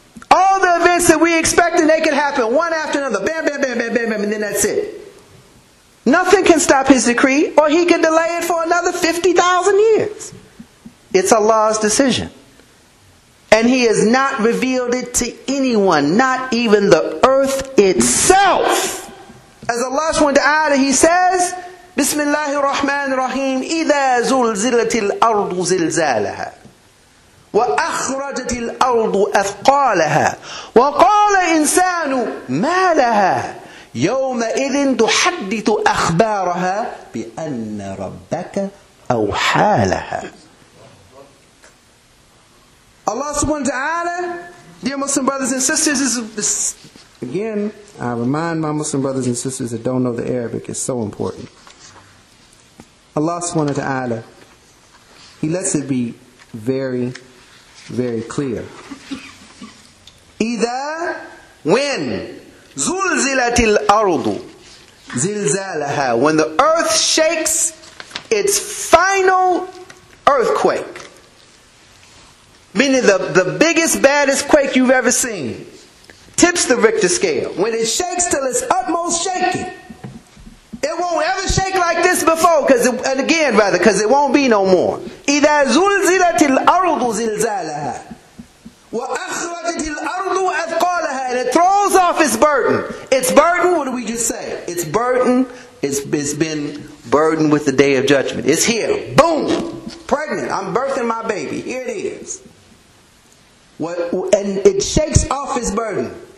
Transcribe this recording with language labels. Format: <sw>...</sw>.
<en>All the events that we expect to make it happen, one after another, bam, bam, bam, bam, bam, bam, and then that's it. Nothing can stop his decree, or he can delay it for another 50,000 years. It's Allah's decision. And he has not revealed it to anyone, not even the earth itself. As Allah subhanahu wa ta'ala, he says,</en> <ar>Bismillahir Rahmanir Rahim, إذا زلزلت الأرض زلزالها وأخرجت الأرض أثقالها وقال إنسان ما لها يومئذ تحدث أخبارها بأن ربك أوحى لها.</ar> <en>Allah subhanahu wa ta'ala, dear Muslim brothers and sisters, this, again, I remind my Muslim brothers and sisters that don't know the Arabic, it's so important. Allah subhanahu wa ta'ala, he lets it be very, very clear. Either when</en> <ar>zulzilatil ardu zilzalaha,</ar> <en>when the earth shakes its final earthquake, meaning the biggest, baddest quake you've ever seen, tips the Richter scale, when it shakes till its utmost shaking. It won't ever shake like this before, because it won't be no more.</en> <ar>إِذَا زُلْزِلَتِ الْأَرْضُ زِلْزَالَهَا وَأَخْرَجَتِ الْأَرْضُ أَثْقَالَهَا,</ar> <en>and it throws off its burden. Its burden, what do we just say? Its burden, it's been burdened with the Day of Judgment. It's here. Boom! Pregnant. I'm birthing my baby. Here it is. And it shakes off its burden.</en>